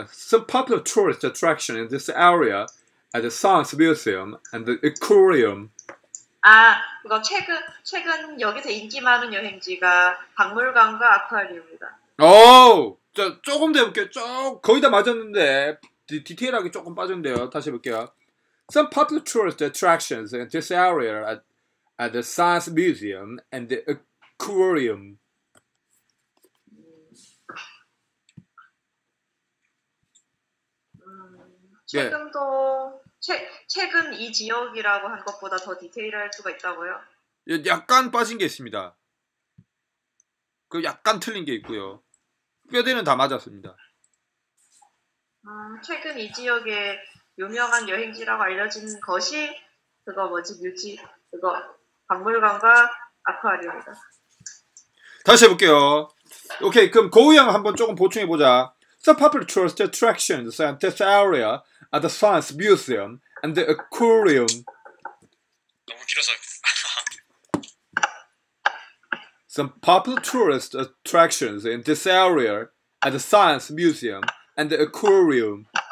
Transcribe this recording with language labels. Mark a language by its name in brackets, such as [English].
[English] Some popular tourist attraction in this area are the Science Museum and the Aquarium. [Korean] 아, 그거 최근 여기서 인기 많은 여행지가 박물관과 아쿠아리움이다. 오, 자, 조금 더 해볼게요. 거의 다 맞았는데 디테일하게 조금 빠졌는데요. 다시 해볼게요. [English] Some popular tourist attractions in this area are the Science Museum and the Aquarium. [Korean] 최근도 최근 이 지역이라고 한 것보다 더 디테일할 수가 있다고요? 예, 약간 빠진 게 있습니다. 그 약간 틀린 게 있고요. 뼈대는 다 맞았습니다. 최근 이 지역에 유명한 여행지라고 알려진 것이 그거 뭐지? 그거 박물관과 아쿠아리움이다. 다시 해볼게요. 오케이, 그럼 고우양 한번 조금 보충해보자. [English] The popular tourist attractions in this area are the Science Museum and the Aquarium. [Korean] 너무 길어서. [English] Some popular tourist attractions in this area are the Science Museum and the Aquarium.